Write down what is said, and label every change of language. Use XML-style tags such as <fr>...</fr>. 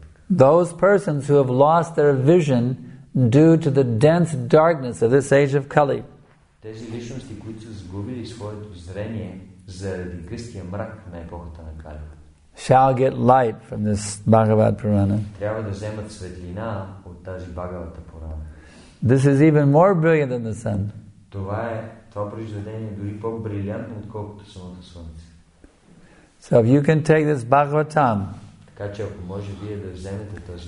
<en>Those persons who have lost their vision due to the dense darkness of this age of Kali.</en> <bg>Тези личности, които са загубили своето зрение заради гъстия мрак на епохата на Кали.</bg> <en>Shall get light from this Bhagavad Purana.</en> <bg>Трябва да вземат светлина от тази Бхагавата Пурана.</bg> <en>This is even more brilliant than the sun.</en> <bg>Това произведение е дори по-брилянтно, отколкото самото слънце.</bg> <en>So if you can take this Bhagavatam,</en> <bg>така че ако може вие да вземете този</bg>